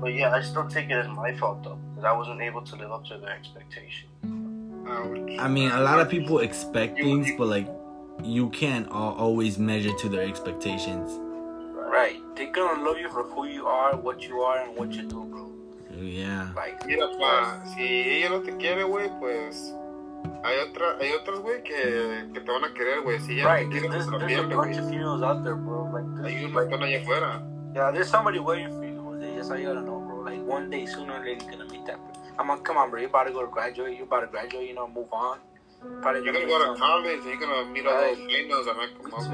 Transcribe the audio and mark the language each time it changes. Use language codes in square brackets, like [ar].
[en] But yeah, I still take it as my fault, though, because I wasn't able to live up to their expectations. I mean, a lot of people expect things, but, like, you can't always measure to their expectations. Right. They're gonna love you for who you are, what you are, and what you do, bro. Yeah. Like, [es] mira, pa, si ella no te quiere, güey, pues, hay otras, güey, que te van a querer, güey. Si [en] right. There's a bunch of females out there, bro. Like, [es] hay un montón allá afuera. [en] Yeah, there's somebody waiting for you, Jose. That's all you gotta know, bro. Like, one day, sooner or later, you're gonna meet that person. I'm like, come on, bro, you're about to graduate, you know, move on. You're gonna go to college, you're gonna meet all those females, and I come